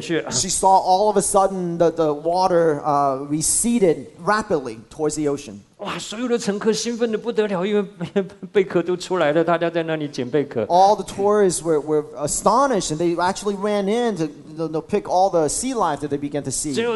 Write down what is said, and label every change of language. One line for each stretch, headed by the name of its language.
English: She saw all of a sudden the water receded rapidly towards the ocean.
Chinese: 哇！所有的乘客兴奋的不得了，因为贝壳都出来了，大家在那里捡贝壳。
English: All the tourists were astonished, and they actually ran in to pick all the sea life that they began to see.